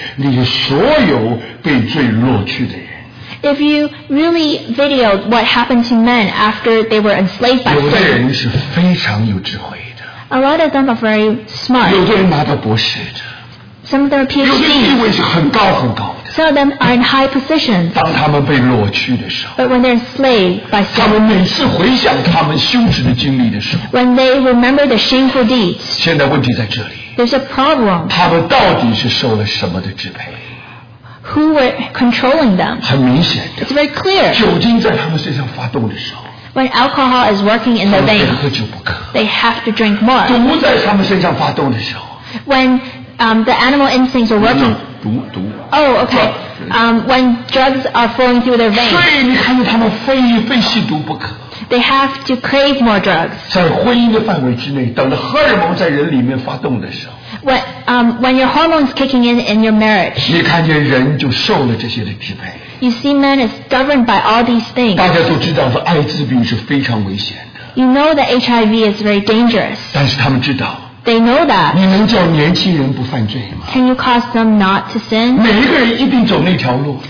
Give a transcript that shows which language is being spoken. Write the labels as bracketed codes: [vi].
[zh] 弟兄姊妹，如果你真的用电影来拍那些所有被罪落去的人， [en] If you really videoed what happened to men after they were enslaved by sin, [zh] 有的人是非常有智慧的。 [en] A lot of them are very smart. [zh] 有的人拿到博士的。 [en] Some of them are PhDs. [zh] 有的地位是很高很高的。 [en] Some of them are in high positions. [zh] 当他们被掳去的时候， [en] But when they're enslaved by sin, [zh] 他们每次回想他们羞耻的经历的时候， [en] When they remember the shameful deeds, [zh] 现在问题在这里， [en] There's a problem. [zh] 他们到底是受了什么的支配？ [en] Who were controlling them? [zh] 很明显的， [en] It's very clear. [zh] 酒精在他们身上发动的时候， [en] When alcohol is working in their veins, they have to drink more. [zh] 毒在他们身上发动的时候， [en] When the animal instincts are working. When drugs are flowing through their veins. [zh] 所以你看见他们非吸毒不可。 [en] They have to crave more drugs. [zh] 在婚姻的范围之内，等到荷尔蒙在人里面发动的时候。 [en] When your hormones kicking in your marriage. [zh] 你看见人就受了这些的支配。 [en] You see, man is governed by all these things. [zh] 大家都知道，艾滋病是非常危险的。 [en] You know that HIV is very dangerous. [zh] 但是他们知道。 [en] They know that. [zh] 你能叫年轻人不犯罪吗？ [en] Can you cause them not to sin? [zh] 每一个人一定走那条路。